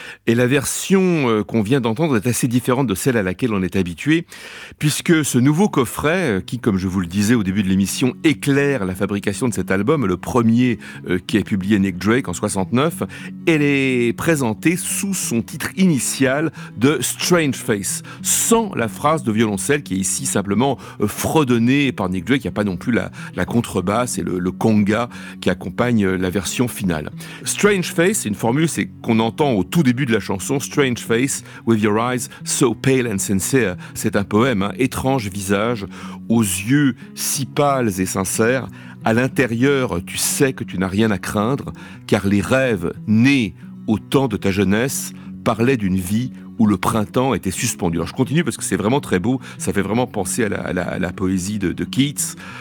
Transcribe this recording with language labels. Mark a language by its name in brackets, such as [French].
[French] Et la version qu'on vient d'entendre est assez différente de celle à laquelle on est habitué, puisque ce nouveau coffret, qui, comme je vous le disais au début de l'émission, éclaire la fabrication de cet album, le premier qui est publié Nick Drake en 69, elle est présentée sous son titre initial de Strange Face, sans la phrase de violoncelle qui est ici simplement fredonné par Nick Drake. Il n'y a pas non plus la contrebasse et le conga qui accompagne la version finale. Strange Face, c'est une formule c'est qu'on entend au tout début de la chanson. [English] Strange Face, with your eyes so pale and sincere. [French] C'est un poème, hein, étrange visage, aux yeux si pâles et sincères. À l'intérieur, tu sais que tu n'as rien à craindre, car les rêves nés au temps de ta jeunesse parlaient d'une vie où le printemps était suspendu. Alors je continue parce que c'est vraiment très beau, ça fait vraiment penser à la poésie de Keats.